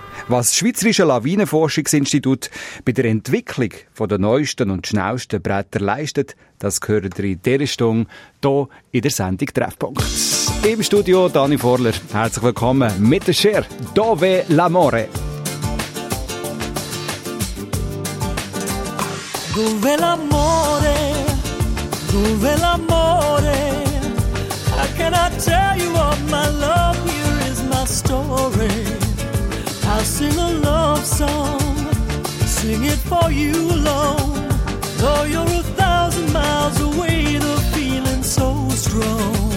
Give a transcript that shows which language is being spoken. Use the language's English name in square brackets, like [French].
[German] Was das Schweizerische Lawinenforschungsinstitut bei der Entwicklung der neuesten und schnellsten Bretter leistet, das gehört ihr in dieser Stunde hier in der Sendung Treffpunkt. Im Studio Dani Vorler. Herzlich willkommen mit der Share Dove l'amore. [Italian] Dove l'amore, dove l'amore. [English] How can I tell you of my love? Here is my story. I'll sing a love song, sing it for you alone. Though you're a thousand miles away, the feeling so strong.